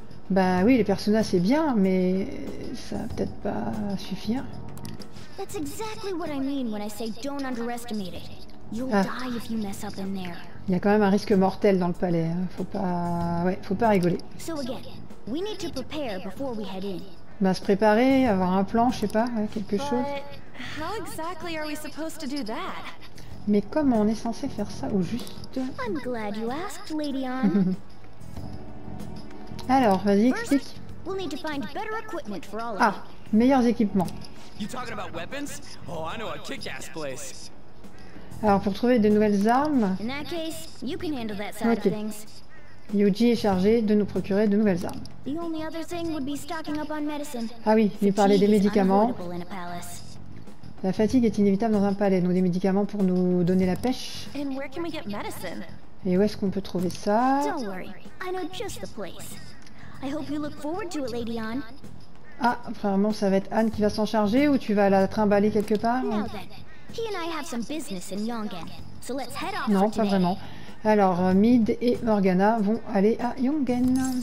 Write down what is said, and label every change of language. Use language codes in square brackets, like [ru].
[fr] Bah oui, les personnages c'est bien, mais ça va peut-être pas suffire. [en] That's exactly what I mean when I say don't underestimate it. You'll die if you mess up in there. [fr] Il y a quand même un risque mortel dans le palais. Faut pas, ouais, faut pas rigoler. [en] So again, we need to prepare before we head in. [fr] Bah, se préparer, avoir un plan, je sais pas, ouais, quelque chose. [en] But how exactly are we supposed to do that? [fr] Mais comment on est censé faire ça au juste? [en] I'm glad you asked, Lady Anne. [fr] Alors, vas-y, explique. [en] We'll need to find better equipment for all of you. [fr] Ah, meilleurs équipements. [en] You talking about weapons? Oh, I know a kick-ass place. [fr] Alors, pour trouver de nouvelles armes... [en] Case, you can handle that side ok. Of things. [fr] Yuji est chargé de nous procurer de nouvelles armes. [en] The only other thing would be stocking up on medicine. [fr] Ah oui, lui parler des médicaments. [en] In a palace. [fr] La fatigue est inévitable dans un palais, donc des médicaments pour nous donner la pêche. [en] And where can we get medicine? [fr] Et où est-ce qu'on peut trouver ça? [en] Don't worry. I know just the place. I hope you look forward to it, Lady Anne. [fr] Ah, apparemment, ça va être Anne qui va s'en charger ou tu vas la trimballer quelque part hein? [en] He and I have some business in Yongan, so let's head off. [fr] Non, pas vraiment. Alors, Mid et Morgana vont aller à Yongan.